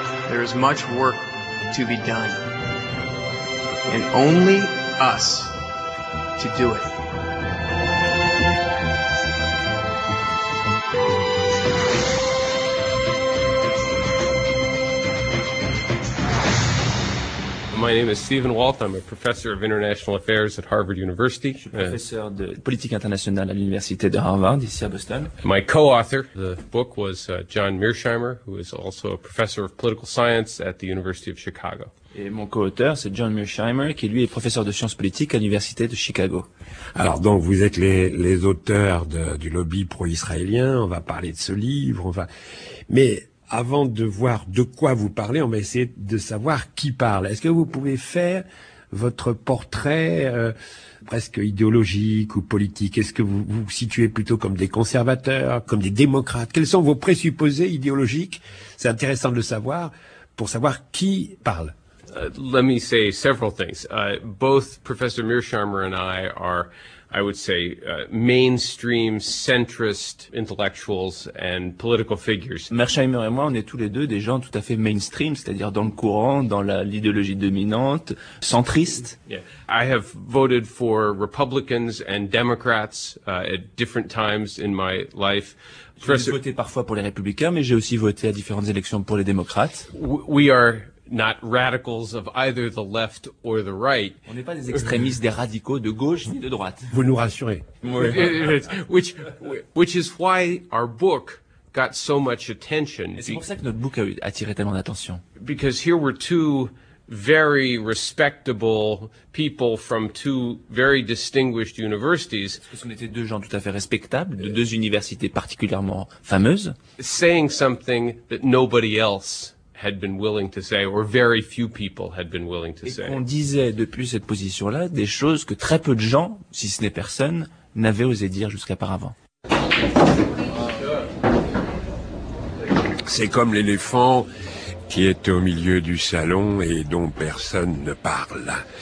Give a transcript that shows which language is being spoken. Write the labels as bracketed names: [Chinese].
[English] There is much work to be done, and only us to do it. My name is Stephen Walt. I'm a professor of international affairs at Harvard University. [French] Je suis professeur de politique internationale à l'université de Harvard, ici à Boston. [English] My co-author of the book was John Mearsheimer, who is also a professor of political science at the University of Chicago. [French] Et mon co-auteur, c'est John Mearsheimer, qui lui est professeur de sciences politiques à l'université de Chicago. Alors donc, vous êtes les auteurs du lobby pro-israélien. On va parler de ce livre. Mais avant de voir de quoi vous parlez, on va essayer de savoir qui parle. Est-ce que vous pouvez faire votre portrait presque idéologique ou politique? Est-ce que vous vous situez plutôt comme des conservateurs, comme des démocrates? Quels sont vos présupposés idéologiques? C'est intéressant de le savoir, pour savoir qui parle. [English] Let me say several things. Both Professor Mearsheimer and I are, I would say, mainstream centrist intellectuals and political figures. [French] Mearsheimer et moi, on est tous les deux des gens tout à fait mainstream, c'est-à-dire dans le courant, dans l'idéologie dominante, centriste. [English] Yeah. I have voted for Republicans and Democrats at different times in my life. [French] J'ai voté parfois pour les Républicains, mais j'ai aussi voté à différentes élections pour les Démocrates. [English] We are not radicals of either the left or the right. [French] On n'est pas des extrémistes, des radicaux de gauche ni de droite. Vous nous rassurez. [English] which is why our book got so much attention. [French] Et c'est pour ça que notre book a attiré tellement d'attention. [English] Because here were two very respectable people from two very distinguished universities. [French] Parce qu'on était deux gens tout à fait respectables, de deux universités particulièrement fameuses. [English] Saying something that nobody else had been willing to say, or very few people had been willing to say. [French] Et on disait depuis cette position-là des choses que très peu de gens, si ce n'est personne, n'avaient osé dire jusqu'auparavant. C'est comme l'éléphant qui est au milieu du salon et dont personne ne parle.